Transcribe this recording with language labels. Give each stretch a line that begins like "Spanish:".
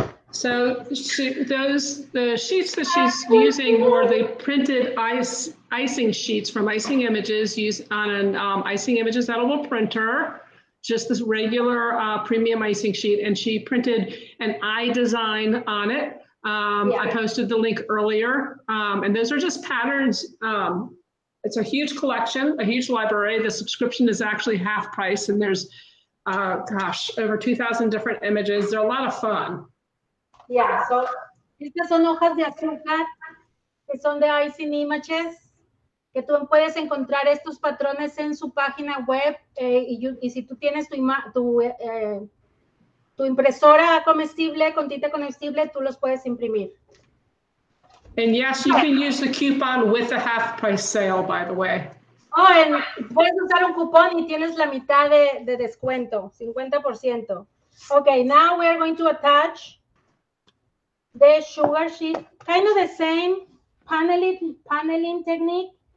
English: So the sheets that she's using were the printed icing sheets from Icing Images, used on an Icing Images edible printer, just this regular premium icing sheet, and she printed an iDesign on it. Yeah. I posted the link earlier, and those are just patterns. It's a huge collection, a huge library. The subscription is actually half price, and there's, over 2,000 different images. They're a lot of fun. Yeah, so
Spanish: estas son hojas de azúcar, que son de Icing Images, que tú puedes encontrar estos patrones en su página web, y si tú tienes tu tu impresora comestible, con tinta comestible, tú los puedes imprimir.
English: And yes, you can use the coupon with a half price sale, by the way. Oh, and
Spanish: puedes usar un cupón y tienes la mitad de descuento, 50%.
English: Okay, now we are going to attach the sugar sheet, kind of the same paneling technique.